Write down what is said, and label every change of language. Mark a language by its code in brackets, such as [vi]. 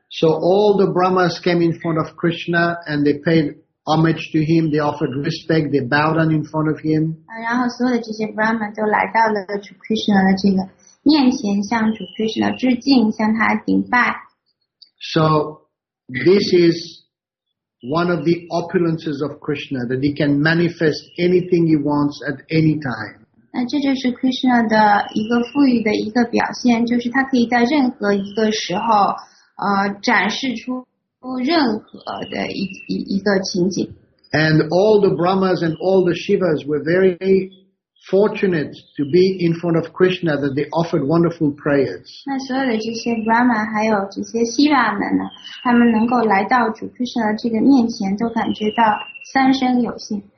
[en] So all the Brahmas came in front of Krishna and they paid homage to him, they offered respect, they bowed down in front of him. [zh] 然后所有的这些 Brahma 都来到了主 Krishna 的这个面前，向主 Krishna 致敬，向他顶拜。 [en] So this is one of the opulences of Krishna, that he can manifest anything he wants at any time. [zh] 那这就是 Krishna 的一个富裕的一个表现，就是他可以在任何一个时候，展示出任何的一个情景。 [en] And all the Brahmas and all the Shivas were very fortunate to be in front of Krishna, that they offered wonderful prayers. [zh] 那所有的这些 Brahma 还有这些 Shiva 们呢，他们能够来到主 Krishna 这个面前，都感觉到三生有幸。